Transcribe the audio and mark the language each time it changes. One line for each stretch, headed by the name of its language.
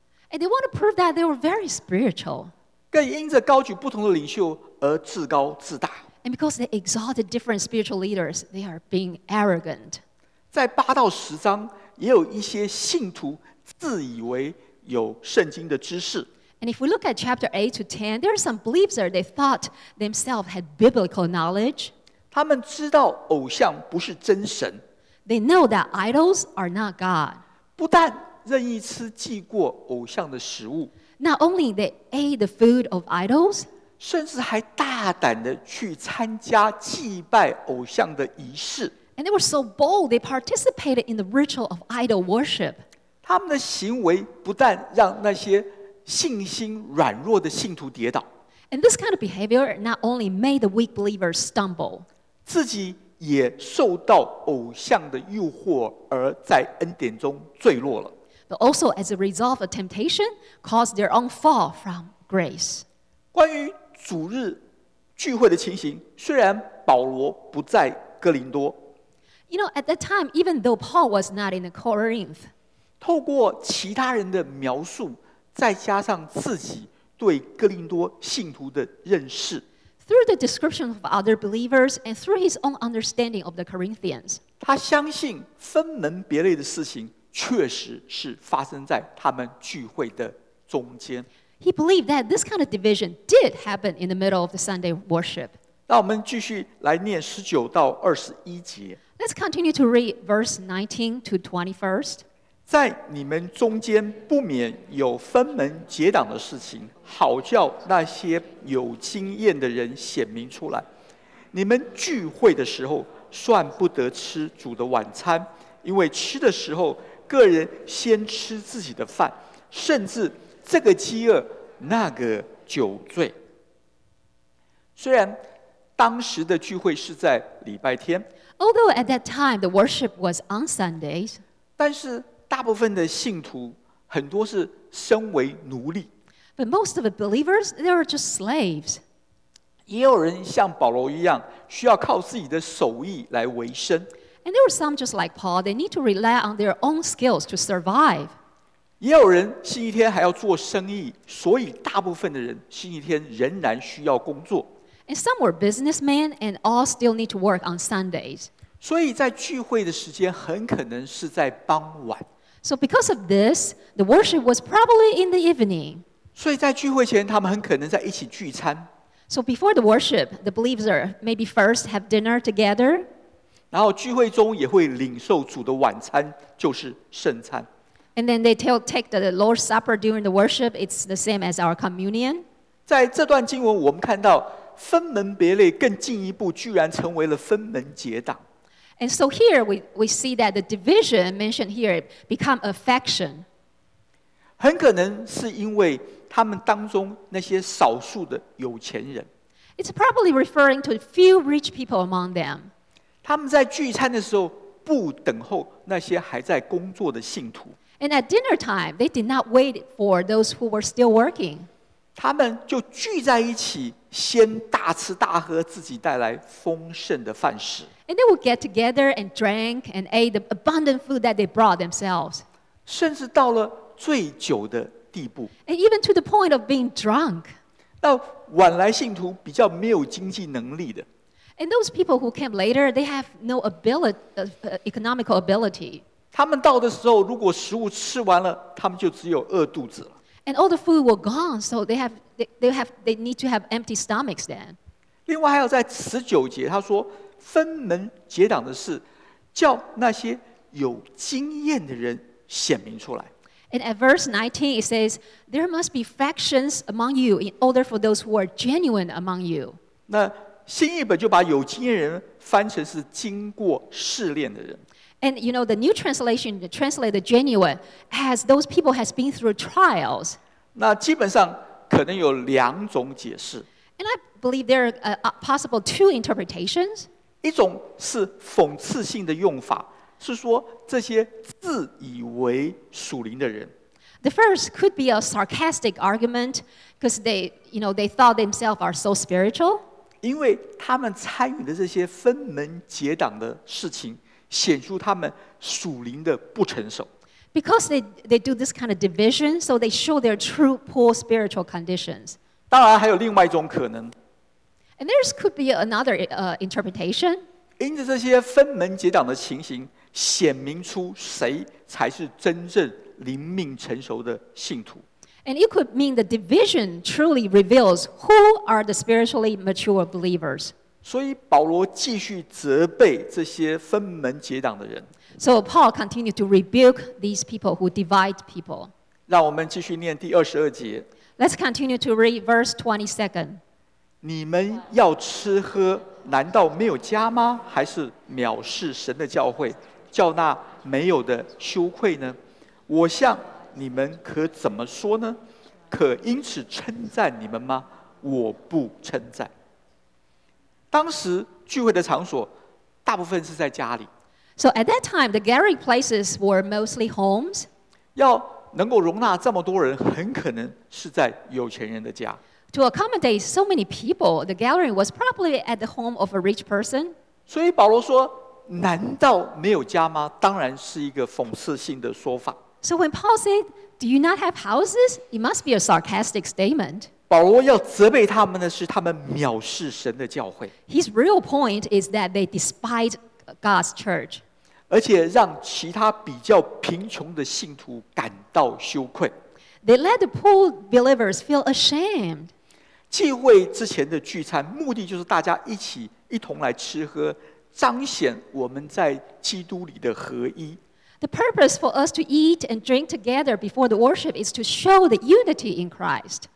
English: And they want to prove that they were very spiritual.
Chinese: 更因着高举不同的领袖而自高自大。
English: And because they exalted different spiritual leaders, they are being arrogant.
Chinese: 在八到十章也有一些信徒自以为有圣经的知识。
English: And if we look at chapter 8 to 10, there are some believers they thought themselves had biblical knowledge.
Chinese: 他们知道偶像不是真神。
English: They know that idols are not God.
Chinese: 不但任意吃祭过偶像的食物。
English: Not only they ate the food of idols,
Chinese: 甚至还大胆地去参加祭拜偶像的仪式。
English: And they were so bold, they participated in the ritual of idol worship.
Chinese: 他们的行为不但让那些信心软弱的信徒跌倒。
English: And this kind of behavior not only made the weak believers stumble,
Chinese: 自己也受到偶像的诱惑而在恩典中坠落了。
English: But also as a result of temptation, caused their own fall from grace.
Chinese: 关于主日聚会的情形，虽然保罗不在哥林多。
English: You know, at that time, even though Paul was not in Corinth,
Chinese: 透过其他人的描述再加上自己对哥林多信徒的认识。
English: Through the description of other believers and through his own understanding of the Corinthians,
Chinese: 他相信分门别类的事情确实是发生在他们聚会的中间。
English: He believed that this kind of division did happen in the middle of the Sunday worship.
Chinese: 让我们继续来念19到21节。
English: Let's continue to read verse 19 to 21st.
Chinese: 在你们中间不免有分门结党的事情，好叫那些有经验的人显明出来。你们聚会的时候算不得吃主的晚餐，因为吃的时候个人先吃自己的饭，甚至这个饥饿那个酒醉。虽然当时的聚会是在礼拜天，
English: Although at that time the worship was on Sundays,
Chinese: 但是大部分的信徒很多是身为奴隶。
English: But most of the believers, they are just slaves.
Chinese: 也有人像保罗一样需要靠自己的手艺来维生。
English: And there were some just like Paul, they need to rely on their own skills to survive.
Chinese: 也有人星期天还要做生意，所以大部分的人星期天仍然需要工作。
English: And some were businessmen and all still need to work on Sundays.
Chinese: 所以在聚会的时间很可能是在傍晚。
English: So because of this, the worship was probably in the evening.
Chinese: 所以在聚会前他们很可能在一起聚餐。
English: So before the worship, the believers maybe first have dinner together.
Chinese: 然后聚会中也会领受主的晚餐，就是圣餐。
English: And then they take the Lord's Supper during the worship, it's the same as our communion.
Chinese: 在这段经文我们看到分门别类更进一步居然成为了分门结党。
English: And so here we see that the division mentioned here become a faction.
Chinese: 很可能是因为他们当中那些少数的有钱人。
English: It's probably referring to a few rich people among them.
Chinese: 他们在聚餐的时候不等候那些还在工作的信徒。
English: And at dinner time, they did not wait for those who were still working.
Chinese: 他们就聚在一起先大吃大喝自己带来丰盛的饭食。
English: And they would get together and drank and ate the abundant food that they brought themselves.
Chinese: 甚至到了醉酒的地步。
English: And even to the point of being drunk.
Chinese: 那晚来信徒比较没有经济能力的。
English: And those people who came later, they have no economical ability.
Chinese: 他们到的时候，如果食物吃完了，他们就只有饿肚子了。
English: And all the food were gone, so they need to have empty stomachs then.
Chinese: 另外还有在19节，他说分门结党的事，叫那些有经验的人显明出来。
English: And at verse 19, it says, there must be factions among you in order for those who are genuine among you.
Chinese: 那新译本就把有经验人翻成是经过试炼的人。
English: And you know, the new translation translated genuine as those people has been through trials.
Chinese: 那基本上可能有两种解释。
English: And I believe there are possible two interpretations.
Chinese: 一种是讽刺性的用法，是说这些自以为属灵的人。
English: The first could be a sarcastic argument because they, you know, they thought themselves are so spiritual.
Chinese: 因为他们参与的这些分门结党的事情，显出他们属灵的不成熟。
English: Because they do this kind of division, so they show their true poor spiritual conditions.
Chinese: 当然还有另外一种可能。
English: And there could be another interpretation.
Chinese: 因着这些分门结党的情形，显明出谁才是真正灵命成熟的信徒。
English: And it could mean the division truly reveals who are the spiritually mature believers.
Chinese: 所以保罗继续责备这些分门结党的人。
English: So Paul continued to rebuke these people who divide people.
Chinese: 让我们继续念第二十二节。
English: Let's continue to read verse 22nd.
Chinese: 你们要吃喝，难道没有家吗？还是藐视神的教会，叫那没有的羞愧呢？我向你们可怎么说呢？可因此称赞你们吗？我不称赞。当时聚会的场所大部分是在家里。
English: So at that time, the gathering places were mostly homes.
Chinese: 要能够容纳这么多人，很可能是在有钱人的家。
English: To accommodate so many people, the gathering was probably at the home of a rich person.
Chinese: 所以保罗说，难道没有家吗？当然是一个讽刺性的说法。
English: So when Paul said, "Do you not have houses?" It must be a sarcastic statement.
Chinese: 保罗要责备他们的是他们藐视神的教会。
English: His real point is that they despise God's church.
Chinese: 而且让其他比较贫穷的信徒感到羞愧。
English: They let the poor believers feel ashamed.
Chinese: 聚会之前的聚餐，目的就是大家一起一同来吃喝，彰显我们在基督里的合一。
English: The purpose for us to eat and drink together before the worship is to show the unity in Christ.